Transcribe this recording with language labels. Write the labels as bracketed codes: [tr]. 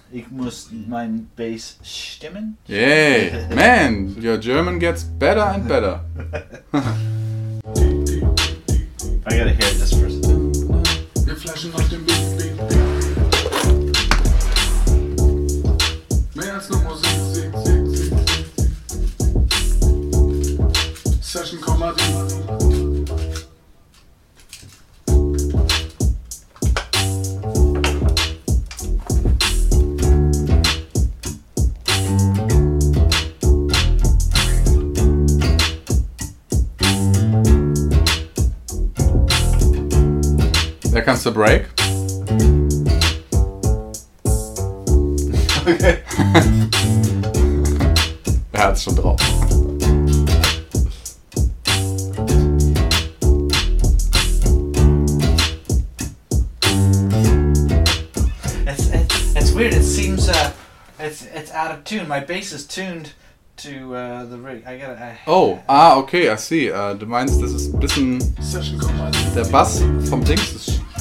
[de] Ich muss mein Bass stimmen. [en] Yay, man, your German gets better and better. I gotta hear this first. [de] Wir flashen auf dem Beat. Mehr als nur Musik. Session, Komma, D. Kannst du break? Okay. Er hat's schon drauf. [en] It's weird. It seems it's out of tune. My bass is tuned to the rig. I gotta. Okay. I see. [de] Du meinst, das ist ein bisschen der Bass vom Dings ist.